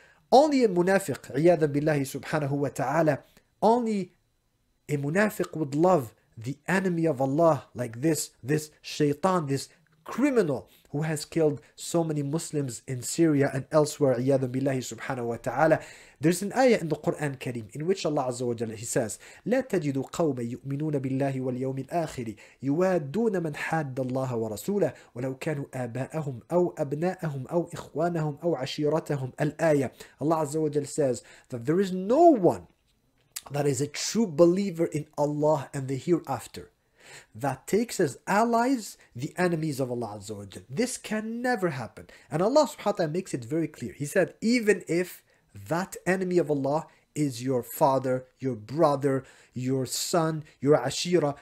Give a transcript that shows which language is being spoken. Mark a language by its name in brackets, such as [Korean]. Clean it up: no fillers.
[English] Only a munafiq, iyadan billahi subhanahu wa ta'ala, only a munafiq would love the enemy of Allah like this, this shaitan, this criminal who has killed so many Muslims in Syria and elsewhere, iyadan billahi subhanahu wa ta'ala. There's an ayah in the Quran Kareem in which Allah Azza wa Jalla, he says, [Arabic] لا تجد قوما يؤمنون بالله واليوم الآخر يوادون من حاد الله ورسوله ولو كانوا آباءهم أو أبناءهم أو إخوانهم أو عشيرتهم. [English] الآية, Allah Azza wa Jalla says that there is no one that is a true believer in Allah and the hereafter that takes as allies the enemies of Allah Azza wa Jalla. This can never happen. And Allah subhanahu wa ta'ala makes it very clear. He said, even if that enemy of Allah is your father, your brother, your son, your ashira.